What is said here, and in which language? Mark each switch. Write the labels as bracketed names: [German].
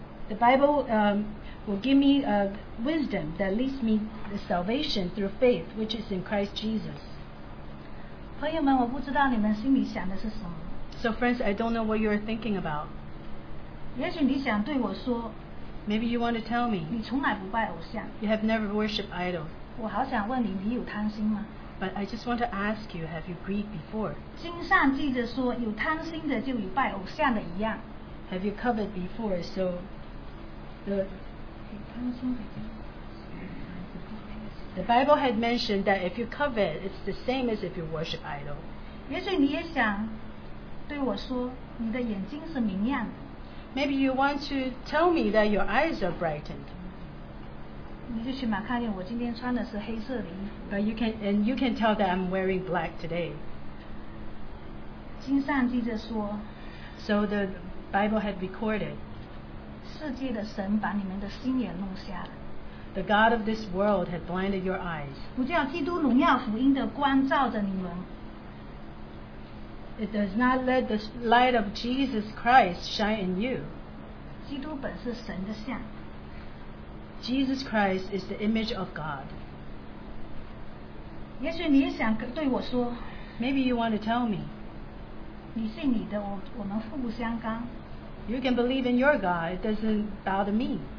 [English] Will give me a wisdom that leads me to salvation through faith, which is in Christ Jesus. [Chinese] 朋友们，我不知道你们心里想的是什么。 [English] So friends, I don't know what you are thinking about. [Chinese] 也许你想对我说。 [English] Maybe you want to tell me. [Chinese] 你从来不拜偶像。 [English] You have never worshipped idols. [Chinese] 我好想问你，你有贪心吗？ [English] But I just want to ask you, have you greed before? [Chinese] 经上记着说，有贪心的就与拜偶像的一样。 [English] Have you coveted before? So The Bible had mentioned that if you covet, it's the same as if you worship idol. [Chinese] 也许你也想对我说，你的眼睛是明亮的。 [English] Maybe you want to tell me that your eyes are brightened. But you can tell that I'm wearing black today. [Chinese] 经上记着说, [English] so the Bible had recorded. [Chinese] 世界的神把你们的心也弄瞎了, [English] the God of this world had blinded your eyes. [Chinese] 不叫基督荣耀福音的光照着你们, [English] it does not let the light of Jesus Christ shine in you. [Chinese] 基督本是神的像, [English] Jesus Christ is the image of God. [Chinese] 也许你想对我说, [English] maybe you want to tell me. [Chinese] 你信你的, 我们互不相干, [English] you can believe in your God, it doesn't bother me.